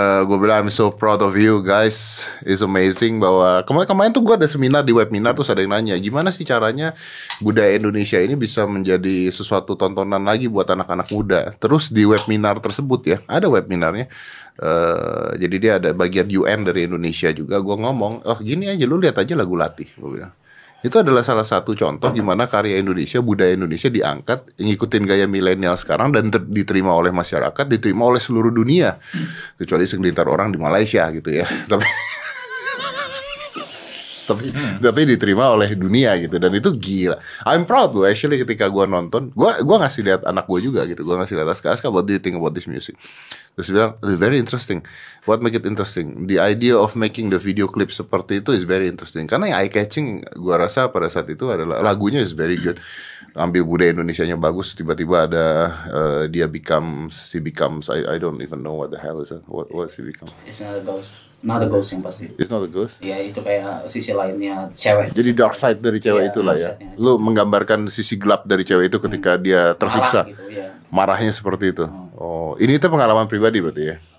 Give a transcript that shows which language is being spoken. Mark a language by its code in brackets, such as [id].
[id] Gue bilang [en] I'm so proud of you guys. It's amazing [id] bahwa kemarin tuh gue ada seminar di webinar tuh, ada yang nanya gimana sih caranya budaya Indonesia ini bisa menjadi sesuatu tontonan lagi buat anak-anak muda. Terus di webinar tersebut ya, ada webinarnya. Jadi dia ada bagian UN dari Indonesia juga. Gue ngomong, oh gini aja, lu lihat aja lagu latih. Gue bilang. Itu adalah salah satu contoh gimana karya Indonesia, budaya Indonesia diangkat, ngikutin gaya milenial sekarang, dan diterima oleh masyarakat, diterima oleh seluruh dunia. Kecuali segelintir orang di Malaysia gitu ya. Tapi diterima oleh dunia gitu, dan itu gila. [en] I'm proud [id] loh actually ketika gue nonton, gue ngasih lihat anak gue juga gitu, gue ngasih lihat Aska, [en] what do you think about this music? [id] Terus bilang, [en] very interesting. What make it interesting? The idea of making the video clip [id] seperti itu [en] is very interesting. [id] Karena yang eye-catching gue rasa pada saat itu adalah lagunya [en] is very good. [id] Ambil budaya Indonesianya bagus, tiba-tiba ada dia [en] becomes, he becomes, I don't even know what the hell is that. What is he become? It's not a ghost. Not a ghost [id] yang pasti. [en] It's not a ghost? [id] Ya, itu kayak sisi lainnya cewek. Jadi [en] dark side [id] dari cewek itulah ya. Lu menggambarkan sisi gelap dari cewek itu ketika dia tersiksa. Marah gitu, ya. Marahnya seperti itu. Oh, ini tuh pengalaman pribadi berarti ya?